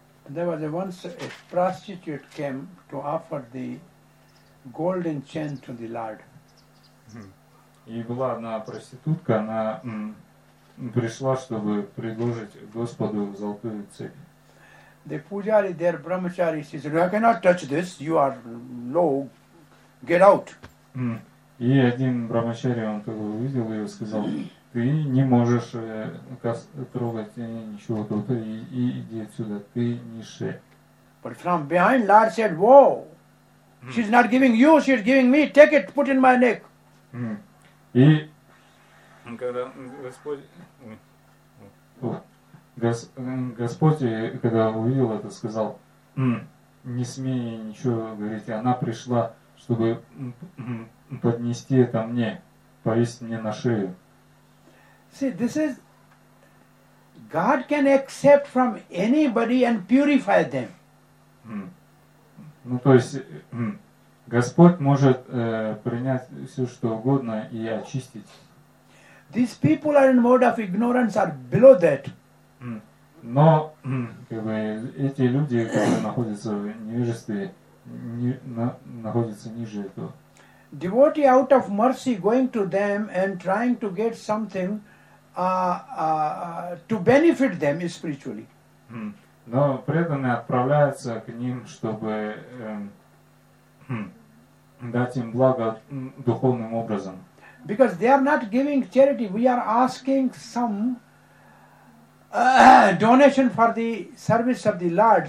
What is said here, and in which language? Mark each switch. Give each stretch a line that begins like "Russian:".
English: There was once a prostitute came to offer the golden chain to the Lord.
Russian: И была одна проститутка, она пришла, чтобы предложить Господу золотую цепь.
English: The pujari, their brahmachari, she said, I cannot touch this, you are low, get out.
Russian: И один брахмачари, он увидел ее и сказал, ты не можешь трогать ничего тут, и иди отсюда, ты нише.
English: But from behind, Lord said, whoa, she's not giving you, she's giving me, take it, put in my neck.
Russian: И когда Господь, когда увидел это, сказал, не смей ничего говорить, она пришла, чтобы поднести это мне, повесить мне на шею.
English: See, this is God can accept from anybody and purify them.
Russian: Ну, то есть Господь может принять все, что угодно и очистить.
English: These people are in mode of ignorance or below that.
Russian: Но как бы эти люди, которые находятся в невежестве, находятся ниже этого.
English: Devotee out of mercy going to them and trying to get something to benefit them spiritually.
Russian: Но преданные отправляются к ним, чтобы дать им благо духовным образом.
English: Because they are not giving charity, we are asking some donation for the service of the Lord.